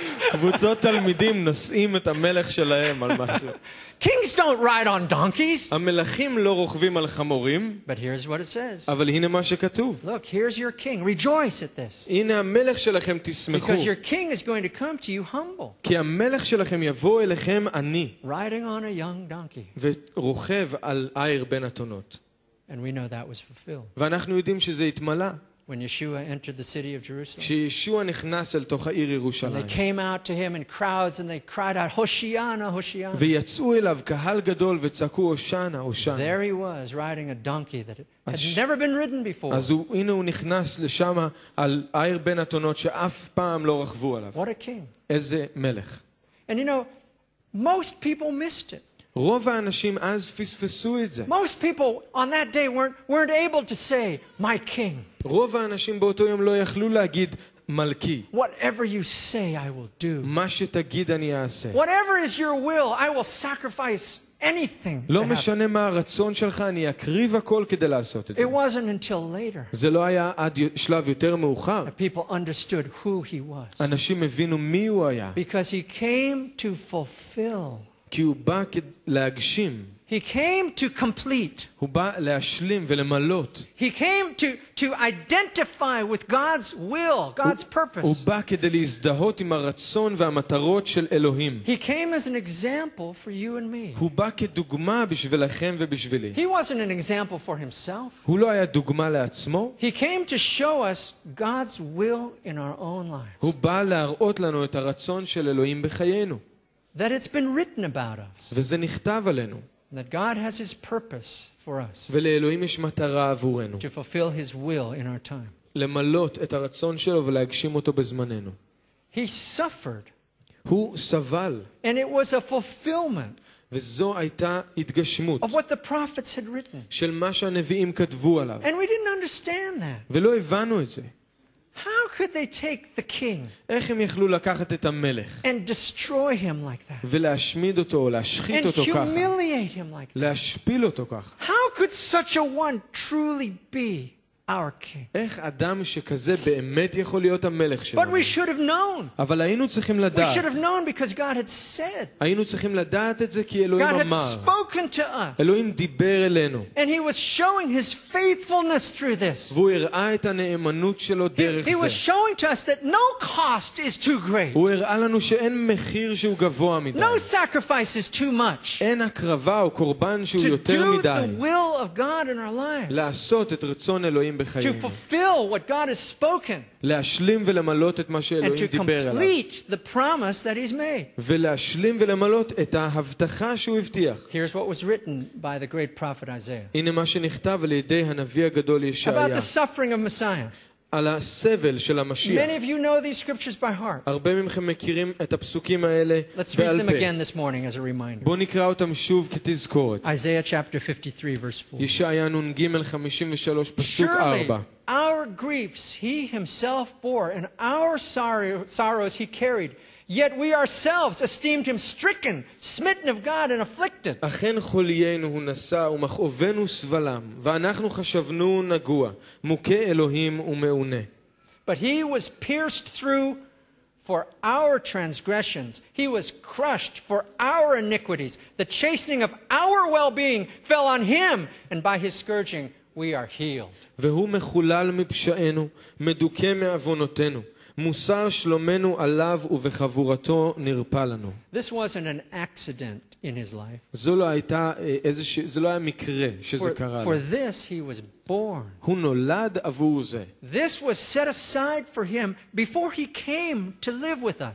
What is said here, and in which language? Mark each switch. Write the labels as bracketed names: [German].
[Hebrew] קבוצות תלמידים נוסעים את המלך שלהם על משהו. [English] Kings don't ride on donkeys. [Hebrew] המלכים לא רוכבים על חמורים. [English] But here's what it says. [Hebrew] אבל הנה מה שכתוב. [English] Look, here's your king. Rejoice at this. [Hebrew] הנה המלך שלכם, תשמחו. [English] Because your king is going to come to you humble. [Hebrew] כי המלך שלכם יבוא אליכם עני. [English] Riding on a young donkey. [Hebrew] ורוכב על עיר בן אתונות. [English] And we know that was fulfilled. [Hebrew] ואנחנו יודעים שזה התמלא. [English] When Yeshua entered the city of Jerusalem, [Hebrew] כשישוע נכנס אל תוך העיר ירושלים, [English] they came out to him in crowds and they cried out, "Hosanna, Hosanna!" [Hebrew] ויצאו אליו קהל גדול וצעקו, "Hosanna, Hosanna!" [English] There he was riding a donkey that had never been ridden before. [Hebrew] אז הנה הוא נכנס לשם על עיר בן אתונות שאף פעם לא רכבו עליו. [English] What a king! [Hebrew] איזה מלך! [English] And you know, most people missed it. [Hebrew] רוב האנשים אז פספסו את זה. [English] Most people on that day weren't able to say, "My king." [Hebrew] רוב האנשים באותו יום לא יכלו להגיד מלכי. [English] Whatever you say I will do. [Hebrew] מה שתגיד אני אעשה. [English] Whatever is your will I will sacrifice anything. [Hebrew] לא משנה מה הרצון שלך אני אקריב הכל כדי לעשות את זה. [English] It wasn't until later. [Hebrew] זה לא היה עד שלב יותר מאוחר. [English] People understood who he was. [Hebrew] אנשים הבינו מי הוא היה. [English] Because he came to fulfill. [Hebrew] כי הוא בא להגשים. [English] He came to complete. [Hebrew] הוא בא להשלים ולמלות. [English] He came to identify with God's will, God's purpose. [Hebrew] הוא בא כדי להזדהות עם הרצון והמטרות של אלוהים. [English] He came as an example for you and me. [Hebrew] הוא בא כדוגמה בשבילכם ובשבילי. [English] He wasn't an example for himself. [Hebrew] הוא לא היה דוגמה לעצמו. [English] He came to show us God's will in our own lives. [Hebrew] הוא בא להראות לנו את הרצון של אלוהים בחיינו. [English] That it's been written about us. [Hebrew] וזה נכתב עלינו. [English] That God has his purpose for us. [Hebrew] ולאלוהים יש מטרה עבורנו. [English] To fulfill his will in our time. [Hebrew] למלות את הרצון שלו ולהגשים אותו בזמננו. [English] He suffered. [Hebrew] הוא סבל. [English] And it was a fulfillment. [Hebrew] וזו הייתה התגשמות. [English] Of what the prophets had written. [Hebrew] של מה שהנביאים כתבו עליו. [English] And we didn't understand that. [Hebrew] ולא הבנו את זה. [English] How could they take the king? [Hebrew] איך הם יכלו לקחת את המלך? [English] And destroy him like that. [Hebrew] ולהשמיד אותו, להשחית אותו ככה. [English] And humiliate him like that. [Hebrew] להשפיל אותו ככה. [English] How could such a one truly be our king. [Hebrew] איך אדם שכזה באמת יכול להיות המלך שלנו? [English] But we should have known. [Hebrew] אבל היינו צריכים לדעת. [English] We should have known because God had said. [Hebrew] היינו צריכים לדעת את זה כי אלוהים אמר. [English] God had spoken to us. [Hebrew] אלוהים דיבר אלינו. [English] And he was showing his faithfulness through this. [Hebrew] והוא הראה את הנאמנות שלו דרך [English] זה. He was showing to us that no cost is too great. [Hebrew] הוא הראה לנו שאין מחיר שהוא גבוה מדי. [English] No sacrifice is too much. [Hebrew] אין הקרבה או קורבן שהוא יותר מדי. [English] To do the will of God in our lives. [Hebrew] לעשות את רצון אלוהים. [English] To fulfill what God has spoken, [Hebrew] להשלים ולמלות את מה שאלוהים דיבר עליו, [English] and to complete the promise that He's made, [Hebrew] ולהשלים ולמלות את ההבטחה שהוא הבטיח. [English] Here's what was written by the great prophet Isaiah. [Hebrew] הנה מה שנכתב על ידי הנביא הגדול ישעיה. [English] About the suffering of Messiah. [Hebrew] על הסבל של המשיח. [English] Many of you know these scriptures by heart. [Hebrew] הרבה מכם מכירים את הפסוקים האלה בעל פה. [English] Let's read them again this morning as a reminder. [Hebrew] בוא נקרא אותם שוב כתזכורת. [English] Isaiah chapter 53 verse 4. [Hebrew] ישעיה נון ג' 53 פסוק 4. [English] Surely our griefs he himself bore and our sorrows he carried. Yet we ourselves esteemed him stricken, smitten of God and afflicted. [Hebrew] אכן חוליינו הוא נשא ומכאובנו סבלם, ואנחנו חשבנו נגוע, מוכה אלוהים ומעונה. [English] But he was pierced through for our transgressions. He was crushed for our iniquities. The chastening of our well-being fell on him, and by his scourging we are healed. [Hebrew] והוא מחולל מפשענו, מדוכא מעוונותינו. מוסר שלומנו עליו ובחבורתו נרפא לנו. [English] This wasn't an accident in his life. [Hebrew] זה לא היה מקרה שזה קרה לו. [English] For this he was born. [Hebrew] הוא נולד עבור זה. [English] This was set aside for him before he came to live with us.